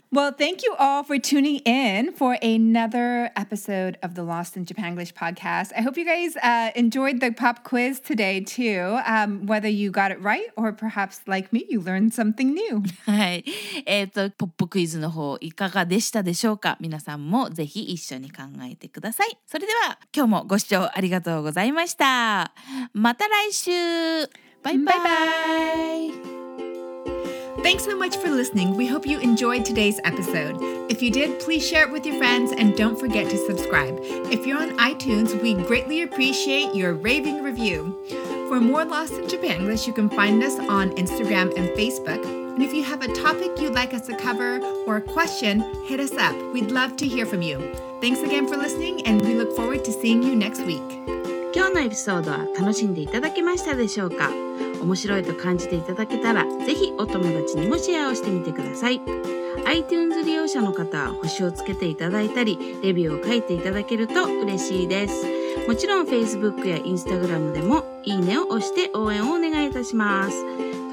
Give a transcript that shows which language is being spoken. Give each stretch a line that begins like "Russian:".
English: Well, thank you all for tuning in for another episode of the Lost in Japanglish podcast. I hope you guys enjoyed the pop quiz today too, whether you got it right or perhaps like me, you learned something new.
Japanese: はい。ポップクイズの方いかがでしたでしょうか?皆さんもぜひ一緒に考えてください。それでは今日もご視聴ありがとうございました。また来週。バイバイ。バイバイ。
English: Thanks so much for listening. We hope you enjoyed today's episode. If you did, please share it with your friends and don't forget to subscribe. If you're on iTunes, we greatly appreciate your raving review. For more Lost in Japanglish, you can find us on Instagram and Facebook. And if you have a topic you'd like us to cover or a question, hit us up. We'd love to hear from you. Thanks again for listening and we look forward to seeing you next week.
Japanese: 今日のエピソードは楽しんでいただけましたでしょうか?面白いと感じていただけたら、ぜひお友達にもシェアをしてみてください。 iTunes 利用者の方は星をつけていただいたり、レビューを書いていただけると嬉しいです。もちろん Facebook や Instagram でもいいねを押して応援をお願いいたします。